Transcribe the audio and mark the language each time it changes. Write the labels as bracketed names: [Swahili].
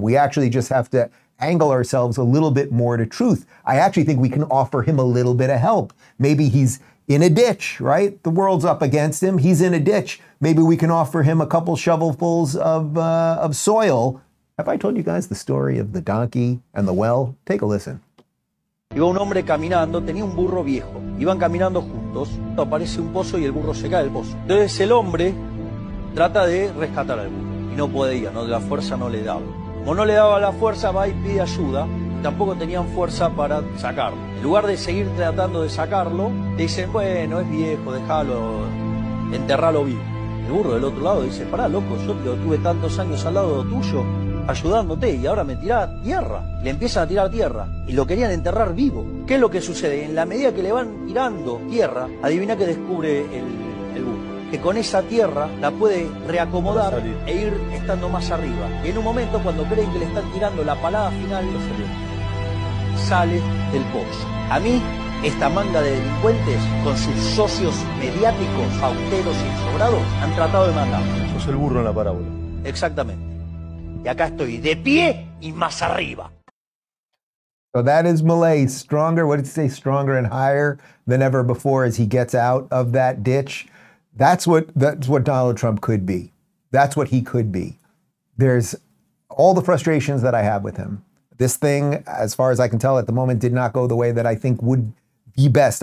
[English] We actually just have to angle ourselves a little bit more to truth. I actually think we can offer him a little bit of help. Maybe he's in a ditch, right? The world's up against him. He's in a ditch. Maybe we can offer him a couple shovelfuls of soil. Have I told you guys the story of the donkey and the well? Take a listen. [Spanish] Iba un hombre caminando, tenía un burro viejo. Iban caminando juntos, aparece un pozo y el burro se cae del pozo. Entonces el hombre trata de rescatar al burro y no podía, no, la fuerza no le daba. Como no le daba la fuerza, va y pide ayuda. Tampoco tenían fuerza para sacarlo. En lugar de seguir tratando de sacarlo, le dicen, bueno, es viejo, déjalo, enterralo vivo. El burro del otro lado dice, pará, loco, yo lo tuve tantos años al lado tuyo ayudándote y ahora me tira tierra. Le empiezan a tirar tierra y lo querían enterrar vivo. ¿Qué es lo que sucede? En la medida que le van tirando tierra, adivina qué descubre el el burro. Que con esa tierra la puede reacomodar e ir estando más arriba. Y en un momento, cuando creen que le están tirando la palada final, sale del pozo. A mí, esta manga de delincuentes, con sus socios mediáticos, fauteros y sobrados, han tratado de matar. Sos el burro en la parábola. Exactamente. Y acá estoy de pie y más arriba. [English] So that is Milei, stronger, what did you say, stronger and higher than ever before as he gets out of that ditch. That's what Donald Trump could be. That's what he could be. There's all the frustrations that I have with him. This thing, as far as I can tell at the moment, did not go the way that I think would be best.